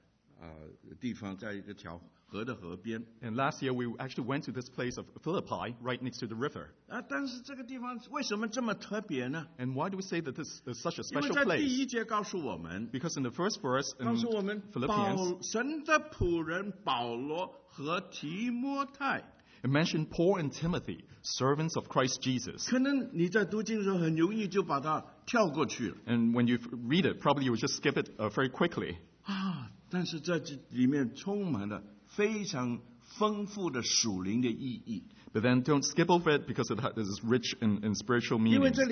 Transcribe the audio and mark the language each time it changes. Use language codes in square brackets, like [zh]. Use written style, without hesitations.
[zh] 我们去年到过这个地方，在一个河的河边。 [en] And last year we actually went to this place of Philippi, right next to the river. [zh] 但是这个地方为什么这么特别呢? [en] And why do we say that this is such a special place? [zh] 因为在第一节告诉我们, [en] because in the first verse in [zh] 告诉我们, [en] Philippians, [zh] 神的仆人保罗和提摩太, [en] it mentioned Paul and Timothy, servants of Christ Jesus. And when you read it, probably you will just skip it very quickly. [zh] 但是在这里面充满了 非常丰富的属灵的意义。 [en] But then don't skip over it because it is rich in spiritual meaning.